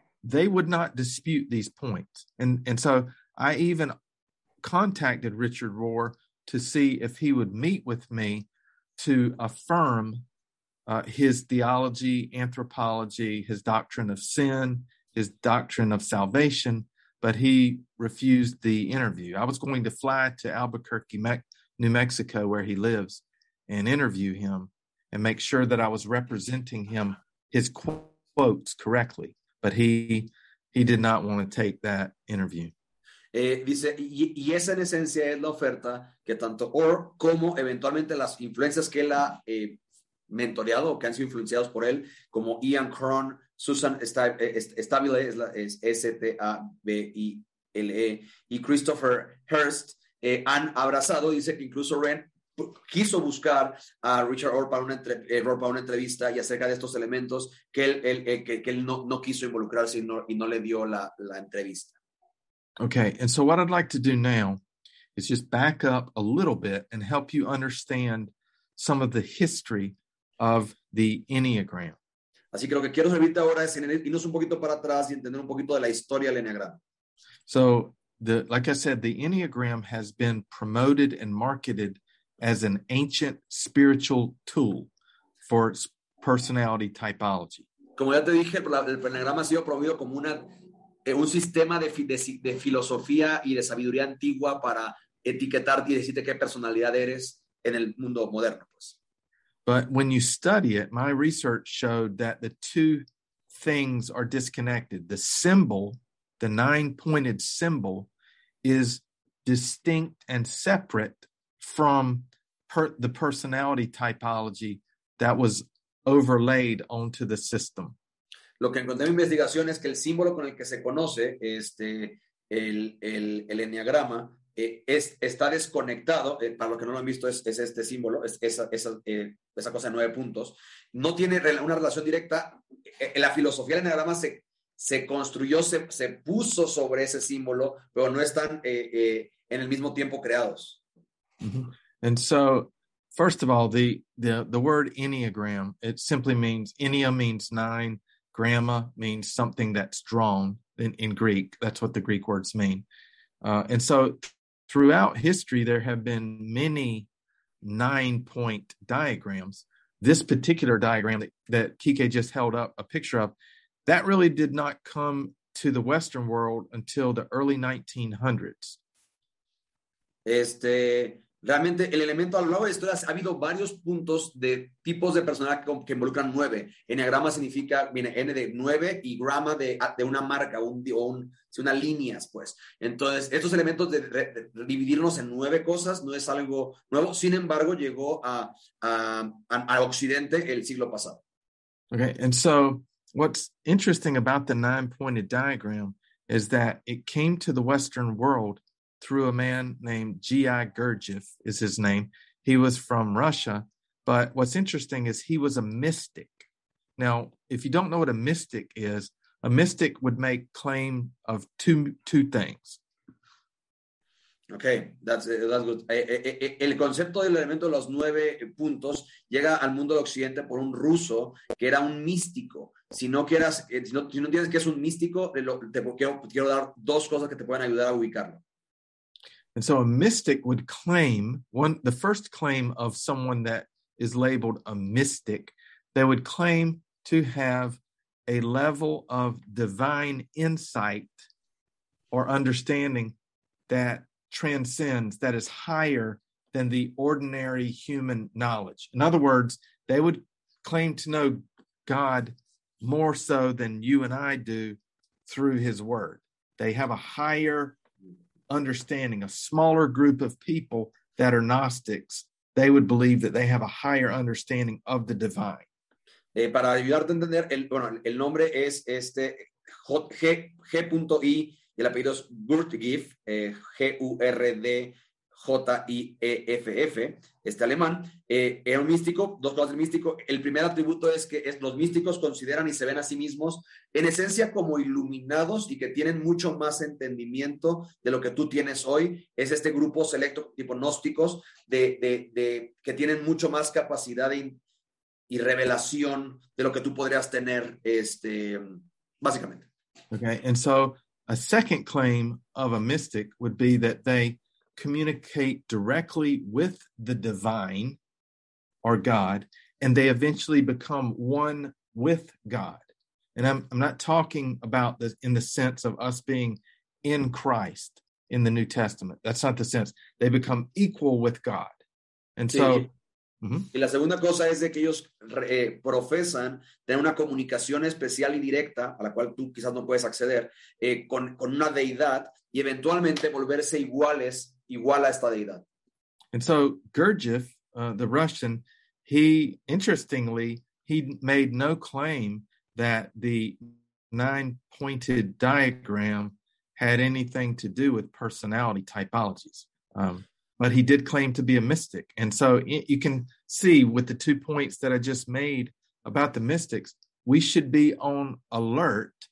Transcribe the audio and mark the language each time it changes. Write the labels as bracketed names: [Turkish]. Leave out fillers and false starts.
[English] They would not dispute these points. And so I even contacted Richard Rohr to see if he would meet with me to affirm his theology, anthropology, his doctrine of sin, his doctrine of salvation, but he refused the interview. I was going to fly to Albuquerque, New Mexico, where he lives, and interview him and make sure that I was representing him, his quotes correctly, but he did not want to take that interview. [Spanish] Dice, y esa en esencia es la oferta que tanto Orr como eventualmente las influencias que él ha mentoreado o que han sido influenciados por él, como Ian Crone, Susan Stabile, es S-T-A-B-I-L-E, y Christopher Hurst, han abrazado. Dice que incluso Ren quiso buscar a Richard Orr para una entrevista y acerca de estos elementos que él no quiso involucrarse y no le dio la entrevista. [English] Okay, and so what I'd like to do now is just back up a little bit and help you understand some of the history of the Enneagram. [Spanish] Así que lo que quiero servirte ahora es irnos un poquito para atrás y entender un poquito de la historia del Enneagram. [English] So, like I said, the Enneagram has been promoted and marketed as an ancient spiritual tool for personality typology. [Spanish] Como ya te dije, el Enneagram ha sido promovido como un sistema de filosofía y de sabiduría antigua para etiquetarte y decirte qué personalidad eres en el mundo moderno, pues. [English] But when you study it, my research showed that the two things are disconnected. The symbol, the nine-pointed symbol, is distinct and separate from the personality typology that was overlaid onto the system. [Spanish] Lo que encontré en mi investigación es que el símbolo con el que se conoce el enneagrama está desconectado. Para los que no lo han visto, es este símbolo, esa cosa de nueve puntos. No tiene una relación directa. La filosofía del enneagrama se construyó, se puso sobre ese símbolo, pero no están en el mismo tiempo creados. Mm-hmm. [English] And so, first of all, the word enneagram, it simply means, ennea means nine. Gramma means something that's drawn in Greek. That's what the Greek words mean. And so throughout history, there have been many nine-point diagrams. This particular diagram that Kike just held up a picture of, that really did not come to the Western world until the early 1900s. [Spanish] Realmente, el elemento a lo largo de la historia, ha habido varios puntos de tipos de personalidad que involucran nueve. Enneagrama significa, viene N de nueve y grama de una marca, una línea, pues. Entonces, estos elementos de dividirnos en nueve cosas no es algo nuevo. Sin embargo, llegó a Occidente el siglo pasado. [English] Okay, and so what's interesting about the nine-pointed diagram is that it came to the Western world through a man named G.I. Gurdjieff is his name. He was from Russia, but what's interesting is he was a mystic. Now, if you don't know what a mystic is, a mystic would make claim of two things. Okay, that's good. [Spanish] El concepto del elemento de los nueve puntos llega al mundo de Occidente por un ruso que era un místico. Si no entiendes que es un místico, quiero dar dos cosas que te pueden ayudar a ubicarlo. [English] And so a mystic would claim, the first claim of someone that is labeled a mystic, they would claim to have a level of divine insight or understanding that transcends, that is higher than the ordinary human knowledge. In other words, they would claim to know God more so than you and I do through his word. They have a higher understanding, a smaller group of people that are Gnostics, they would believe that they have a higher understanding of the divine. [Spanish] Para ayudarte a entender, el nombre es G.I. y el apellido es Gurdjieff, G-U-R-D, J-I-E-F-F, este alemán, era un místico. Dos cosas del místico: el primer atributo es que los místicos consideran y se ven a sí mismos en esencia como iluminados y que tienen mucho más entendimiento de lo que tú tienes hoy. Es este grupo selecto tipo gnósticos de que tienen mucho más capacidad y revelación de lo que tú podrías tener, básicamente. [English] Okay, and so a second claim of a mystic would be that they communicate directly with the divine or God, and they eventually become one with God. And I'm not talking about this in the sense of us being in Christ in the New Testament. That's not the sense. They become equal with God. And so... [Spanish] Y la segunda cosa es de que ellos profesan tener una comunicación especial y directa, a la cual tú quizás no puedes acceder, con una deidad, y eventualmente volverse igual a esta deidad. [English] And so Gurdjieff, the Russian, he made no claim that the nine-pointed diagram had anything to do with personality typologies. But he did claim to be a mystic. And so you can see with the two points that I just made about the mystics, we should be on alert.